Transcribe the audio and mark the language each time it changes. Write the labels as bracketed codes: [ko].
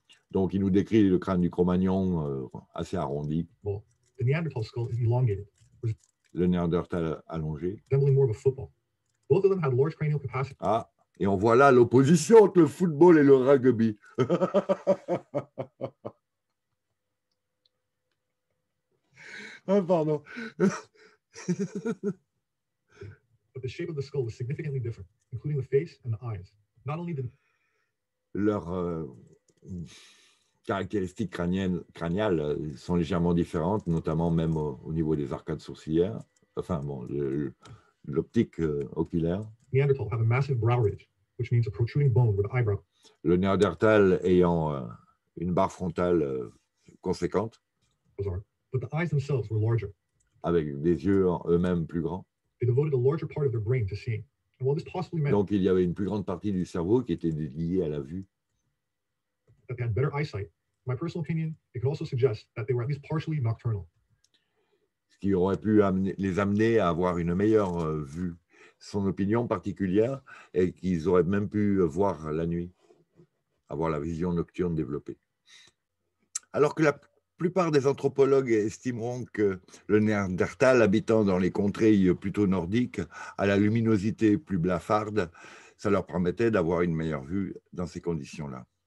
[fr] Donc, il nous décrit le crâne du Cro-Magnon assez arrondi. [en] The Neanderthal skull is elongated. [fr] Le Néandertal allongé. [en] More of a football. Both of them had large cranial capacity. [fr] Ah, et on voit là l'opposition entre le football et le rugby. Ah, pardon. [en] But the shape of the skull was significantly different, including the face and the eyes. Not only did [fr] leurs caractéristiques crâniales sont légèrement différentes, notamment même au niveau des arcades sourcilières. Enfin bon, l'optique oculaire. [en] Neanderthal have a massive brow ridge, which means a protruding bone with an eyebrow. [fr] Le Néandertal ayant une barre frontale conséquente. Bizarre. [en] But the eyes themselves were larger. [fr] Avec des yeux eux-mêmes plus grands. [en] They devoted a larger part of their brain to seeing. And while this possibly meant. [fr] Donc il y avait une plus grande partie du cerveau qui était liée à la vue. [en] That they had better eyesight. My personal opinion, it could also suggest that they were at least partially nocturnal. [fr] Qui aurait pu les amener à avoir une meilleure vue, son opinion particulière, et qu'ils auraient même pu voir la nuit, avoir la vision nocturne développée. Alors que la plupart des anthropologues estimeront que le Néandertal, habitant dans les contrées plutôt nordiques, à la luminosité plus blafarde, ça leur permettait d'avoir une meilleure vue dans ces conditions-là.